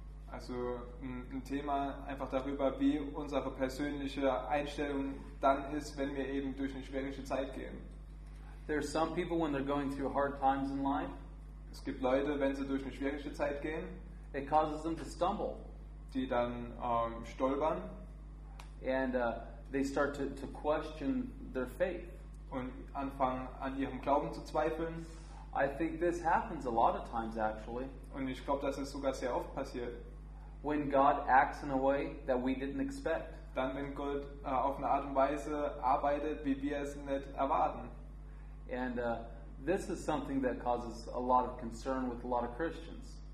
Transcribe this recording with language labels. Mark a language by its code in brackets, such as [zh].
[de] Also ein Thema einfach darüber, wie unsere persönliche Einstellung dann ist, wenn wir eben durch eine schwierige Zeit gehen. [en] There are some people when they're going through hard times in life. [de] Es gibt Leute, wenn sie durch eine schwierige Zeit gehen. [en] It causes them to stumble. [de] Die dann stolpern. [en] And they start to question their faith. [de] Und anfangen an ihrem Glauben zu zweifeln. [en] I think this happens a lot of times actually. [de] Und ich glaube, dass es sogar sehr oft passiert. [en] When God acts in a way that we didn't expect. [de] Dann, wenn Gott auf eine Art und Weise arbeitet, wie wir es nicht erwarten. [en] And this is something that causes a lot of concern with a lot of Christians.